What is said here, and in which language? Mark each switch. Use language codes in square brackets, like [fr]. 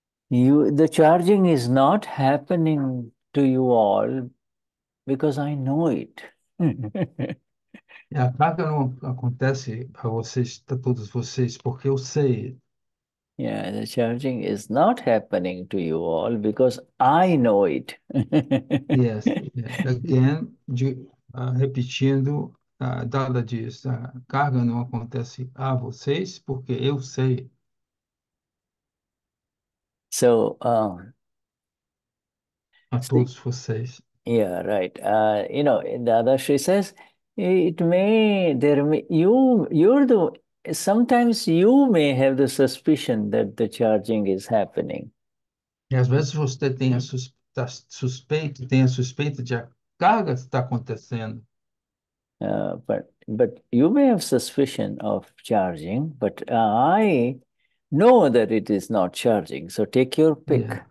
[en] the charging is not happening to you all because I know it. [pt] A carga não acontece para vocês, para todos vocês, porque eu sei. [en] Yeah, the charging is not happening to you all because I know it. Again, [pt] repetindo, Dada diz, a carga não acontece a vocês, porque eu sei. [en] So, [pt] A [en] see, [pt] todos vocês. [en] yeah, right. Dada, she says, it may, there may, you, you're the. Sometimes you may have the suspicion that the charging is happening. [pt] E às vezes você tem a suspeita, tem a suspeita de a carga está acontecendo. [en] But you may have suspicion of charging, but I know that it is not charging, so take your pick.